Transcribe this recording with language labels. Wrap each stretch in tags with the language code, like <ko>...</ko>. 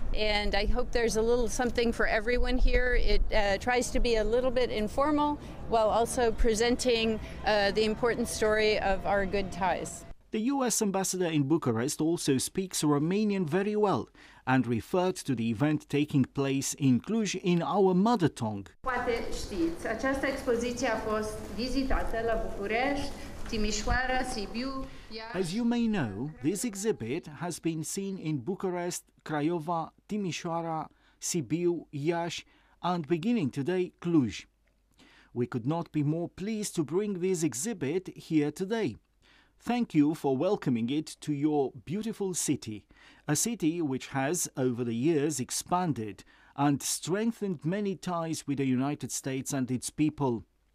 <en>And I hope there's a little something for everyone here. It tries to be a little bit informal while also presenting the important story of our good ties. The U.S. ambassador in Bucharest also speaks Romanian very well and referred to the event taking place in Cluj in our mother tongue.</en> <ro>Poate știți, această expoziție a fost vizitată la București, Timișoara, Sibiu.</ro> <en>As you may know, this exhibit has been seen in Bucharest, Craiova, Timișoara, Sibiu, Iași, and beginning today, Cluj. We could not be more pleased to bring this exhibit here today. Thank you for welcoming it to your beautiful city, a city which has, over the years, expanded and strengthened many ties with the United States and its people.</en>